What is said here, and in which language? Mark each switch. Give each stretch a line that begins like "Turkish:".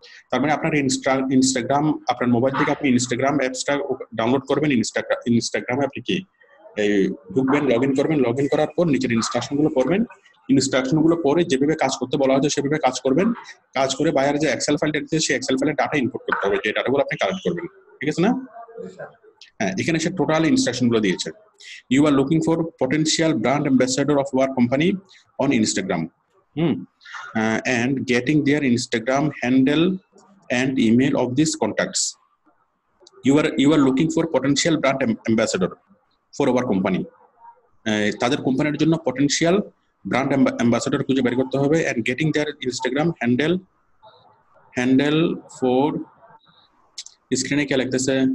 Bangla: তার মানে আপনার ইনস্টাগ্রাম আপনার মোবাইল থেকে আপনি ইনস্টাগ্রাম অ্যাপসটা ডাউনলোড করবেন, ইনস্টাগ্রামে আপনি কি ঢুকবেন, লগ ইন করবেন, লগ ইন করার পর নিজের ইনস্ট্রাকশন গুলো পড়বেন, ইনস্ট্রাকশন গুলো পরে যেভাবে কাজ করতে বলা হয়েছে সেভাবে কাজ করবেন, কাজ করে বাইরে যে এক্সেল ফাইলটা দিচ্ছে সেই এক্সেল ফাইলে ডাটা ইনপুট করতে হবে, যে ডাটাগুলো আপনি কালেক্ট করবেন, ঠিক আছে না? হ্যাঁ এখানে সে টোটাল ইনস্ট্রাকশন গুলো দিয়েছে,
English: You are looking for potential brand ambassador of our company on Instagram, and getting their Instagram handle and email of these contacts. You are looking for potential brand ambassador for our company.
Bangla: তাদের কোম্পানির জন্য potential brand ambassador খুঁজে বের করতে হবে
English: and getting their Instagram handle for
Bangla: স্ক্রিনে কি লিখতেছে?